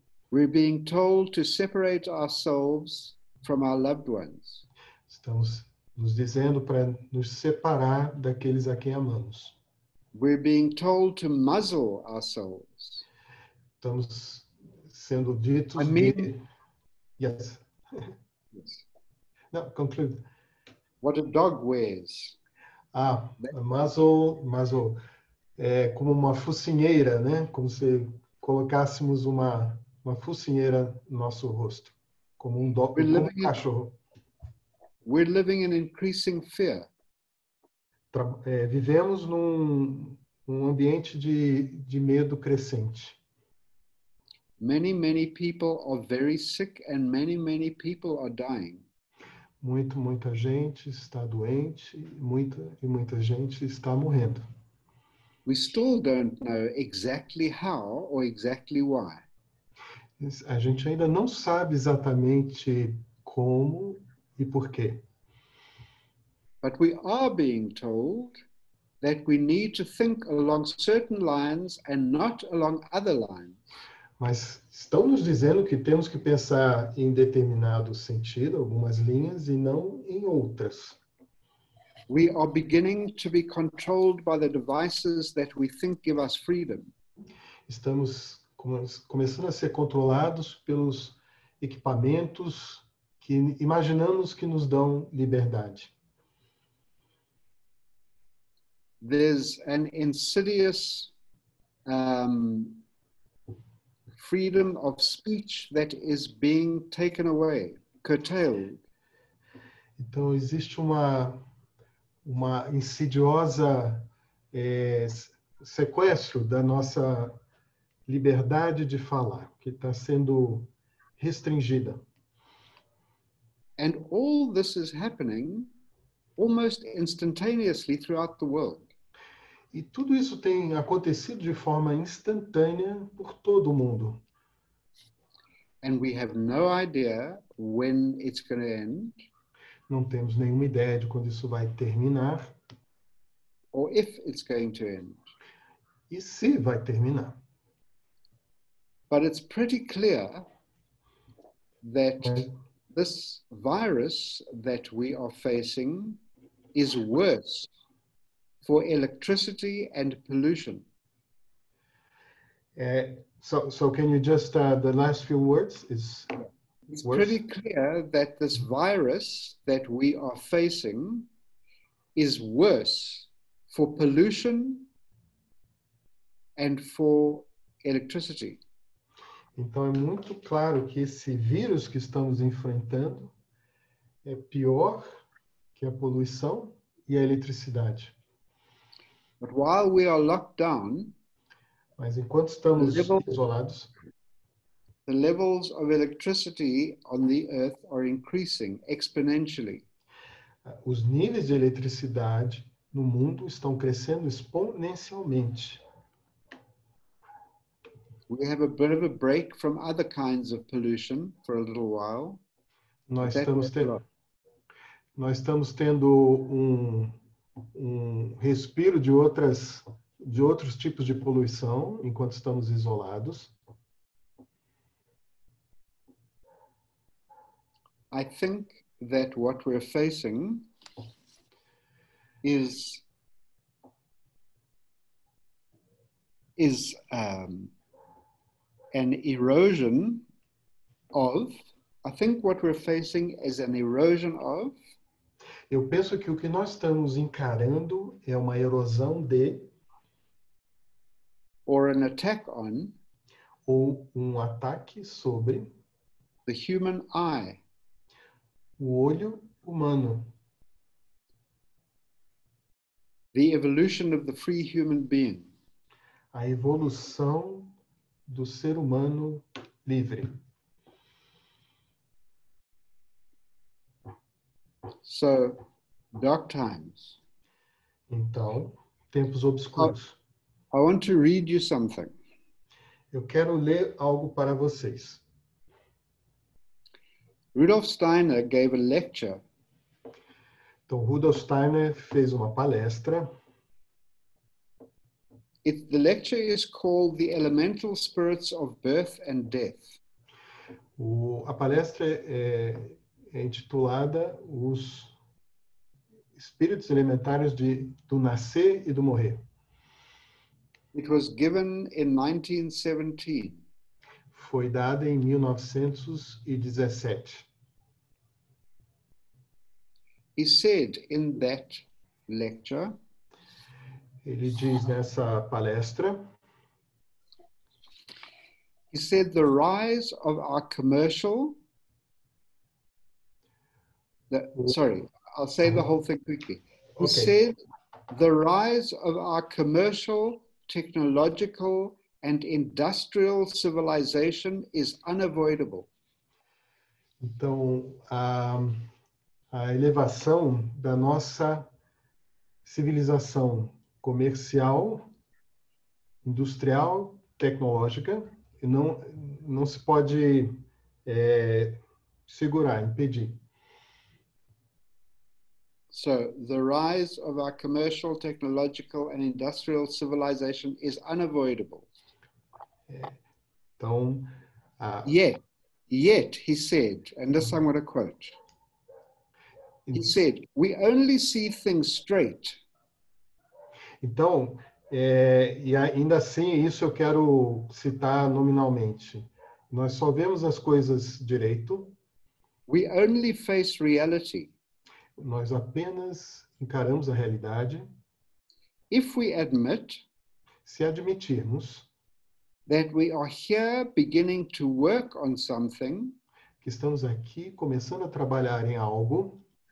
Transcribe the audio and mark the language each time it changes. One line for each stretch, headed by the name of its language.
English: We're being told to separate ourselves from our loved ones.
Portuguese: Estamos nos dizendo para nos separar daqueles a quem amamos.
English: We're being told to muzzle ourselves.
Portuguese: Estamos sendo ditos
English: Yes. No, conclude. What a dog wears.
Portuguese: Ah, muzzle. É como uma focinheira, né? Como se colocássemos uma focinheira no nosso rosto. Como um dog, como um cachorro.
English: We're living in increasing fear.
Portuguese: Vivemos num ambiente de medo crescente.
English: Many, many people are very sick and many, many people are dying.
Portuguese: Muita gente está doente e muita gente está morrendo.
English: We still don't know exactly how or exactly why.
Portuguese: A gente ainda não sabe exatamente como e por quê.
English: But we are being told that we need to think along certain lines and not along other lines.
Portuguese: Mas estão nos dizendo que temos que pensar em determinado sentido, algumas linhas, e não em outras.
English: We are beginning to be controlled by the devices that we think give us freedom.
Portuguese: Estamos começando a ser controlados pelos equipamentos que imaginamos que nos dão liberdade.
English: There's an insidious freedom of speech that is being taken away, curtailed.
Portuguese: Então existe uma insidiosa sequestro da nossa liberdade de falar, que está sendo restringida.
English: And all this is happening almost instantaneously throughout the world.
Portuguese: E tudo isso tem acontecido de forma instantânea por todo o mundo.
English: And we have no idea when it's going to end.
Portuguese: Não temos nenhuma ideia de quando isso vai terminar.
English: Or if it's going to end.
Portuguese: E se vai terminar.
English: But it's pretty clear that this virus that we are facing is worse for electricity and pollution. So can you just the last few words is it's worse. Pretty clear that this virus that we are facing is worse for pollution and for electricity.
Portuguese: Então é muito claro que esse vírus que estamos enfrentando é pior que a poluição e a eletricidade.
English: But while we are locked down,
Portuguese: mas enquanto estamos isolados,
English: the levels of electricity on the earth are increasing exponentially.
Portuguese: Os níveis de eletricidade no mundo estão crescendo exponencialmente.
English: We have a bit of a break from other kinds of pollution for a little while.
Portuguese: Nós estamos tendo um respiro de outros tipos de poluição enquanto estamos isolados.
English: I think that what we're facing is an erosion of, I think what we're facing is an erosion of.
Portuguese: Eu penso que o que nós estamos encarando é uma erosão de.
English: Or an attack on.
Portuguese: Ou um ataque sobre.
English: The human eye.
Portuguese: O olho humano.
English: The evolution of the free human being.
Portuguese: A evolução do ser humano livre.
English: So, dark times.
Portuguese: Então, tempos obscuros.
English: I want to read you something.
Portuguese: Eu quero ler algo para vocês.
English: Rudolf Steiner gave a lecture.
Portuguese: Então, Rudolf Steiner fez uma palestra.
English: The lecture is called The Elemental Spirits of Birth and Death.
Portuguese: A palestra é intitulada Os Espíritos Elementares do Nascer e do Morrer.
English: It was given in 1917.
Portuguese: Foi dada em 1917.
English: He said in that lecture.
Portuguese: Ele diz nessa palestra.
English: He said the rise of our commercial. The whole thing quickly. He said the rise of our commercial, technological, and industrial civilization is unavoidable.
Portuguese: Então, a elevação da nossa civilização comercial, industrial, tecnológica, não se pode segurar, impedir.
English: So, the rise of our commercial, technological and industrial civilization is unavoidable.
Portuguese: Então,
English: yet, he said, and this I'm going to quote. He said, we only see things straight.
Portuguese: Então, e ainda assim, isso eu quero citar nominalmente. Nós só vemos as coisas direito.
English: We only face reality.
Portuguese: Nós apenas encaramos a realidade.
English: If we admit,
Portuguese: se admitirmos,
English: that we are here beginning to work on something,
Portuguese: que estamos aqui começando a trabalhar em algo,